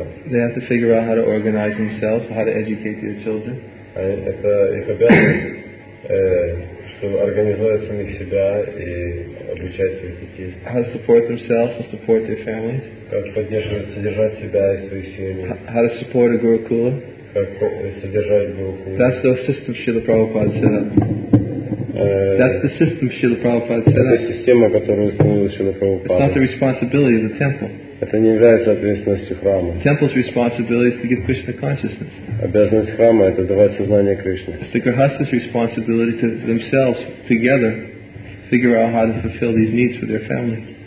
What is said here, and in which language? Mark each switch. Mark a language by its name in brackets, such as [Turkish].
[English] They have to figure out how to organize themselves, how to educate their children. [Russian] Это их обязанность, чтобы организовать самих себя и обучать своих детей. [English] How to support themselves and support their families. [Russian] Как поддерживать, содержать себя и свои семьи. [English] How to support a Gurukula. [Russian] Как содержать Гурукулу. [English] That's the system Srila Prabhupada set up. That's the system Srila Prabhupada set up. [Russian] Это система, которую установил Srila Prabhupada. [English] It's not the responsibility of the temple. [Russian] Это не является ответственностью храма. [English] Temple's responsibility is to give Krishna consciousness. [Russian] Обязанность храма это давать сознание Кришне. [English] It's the grihastha's responsibility to themselves together figure out how to fulfill these needs for their family.